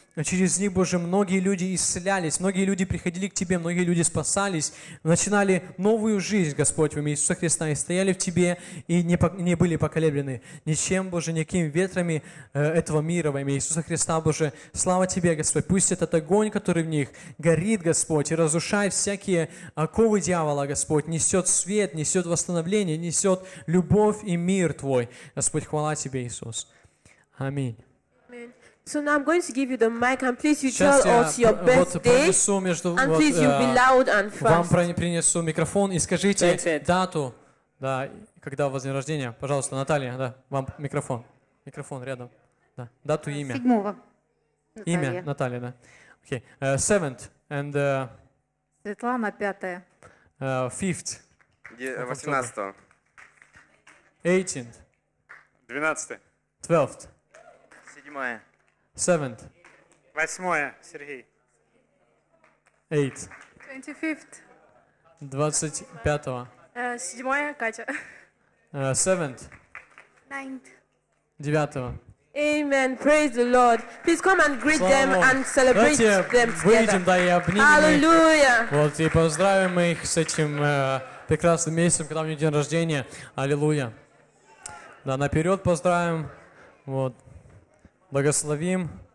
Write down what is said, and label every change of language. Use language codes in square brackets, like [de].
[ru] через них, Боже, многие люди исцелялись, многие люди приходили к Тебе, многие люди спасались, начинали новую жизнь, Господь, в имя Иисуса Христа, и стояли в Тебе, и не были поколеблены ничем, Боже, никакими ветрами этого мира, во имя Иисуса Христа, Боже, слава Тебе, Господь, пусть этот огонь, который в них горит, Господь, и разрушает всякие оковы дьявола, Господь, несет свет, несет восстановление, несет любовь и мир Твой, Господь, хвала Тебе, Иисус. Аминь. [en] So now I'm going to give you the mic and please you tell us your birthday. Please you be loud and fast. [ru] Вам принесу микрофон и скажите дату, да, когда у вас день рождения. Пожалуйста, Наталья, да, вам микрофон. Микрофон рядом. Да. Дату и имя. 7-го. Имя Наталья, да. Okay. [en] 7th and [ru] Светлана 5-я. [en] 5th. [ru] 18-го. [en] 18th. [ru] 12-е. [en] 12th. [ru] 7-е. [en] 7th. [ru] 8-е, Сергей. [en] 8th. 25th. [ru] 25-го. 7-е, Катя. [en] 7th. 9th. [ru] 9-го. [en] Amen. Praise the Lord. Please come and greet them and celebrate them together. [ru] Выйдем, да, и обнимем их. [en] Hallelujah. [ru] Вот, и поздравим их с этим прекрасным месяцем, когда у них день рождения. Аллилуйя. Да, наперед поздравим. Вот. Благословим.